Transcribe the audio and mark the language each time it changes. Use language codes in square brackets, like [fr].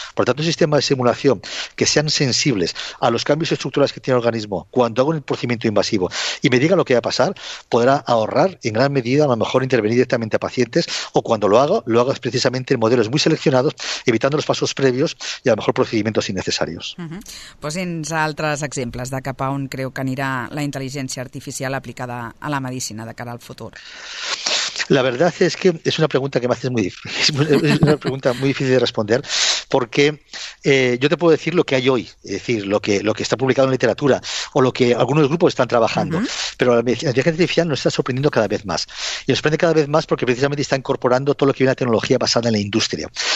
[es] Por tanto, sistemas de simulación que sean sensibles a los cambios estructurales que tiene el organismo cuando hago el procedimiento invasivo y me diga lo que va a pasar, podrá ahorrar en gran medida, a lo mejor intervenir directamente a pacientes o cuando lo hago precisamente en modelos muy seleccionados, evitando los pasos previos y a lo mejor procedimientos innecesarios. [ca] Posem-nos altres exemples de cap a on creu que anirà la intel·ligència artificial aplicada a la medicina de cara al futur. [es] La verdad es que es una pregunta que me haces muy difícil, es una pregunta muy difícil de responder porque yo te puedo decir lo que hay hoy, es decir, lo que está publicado en literatura o lo que algunos grupos están trabajando, pero la inteligencia artificial nos está sorprendiendo cada vez más. Y nos sorprende cada vez más porque precisamente está incorporando todo lo que viene de la tecnología basada en la industria.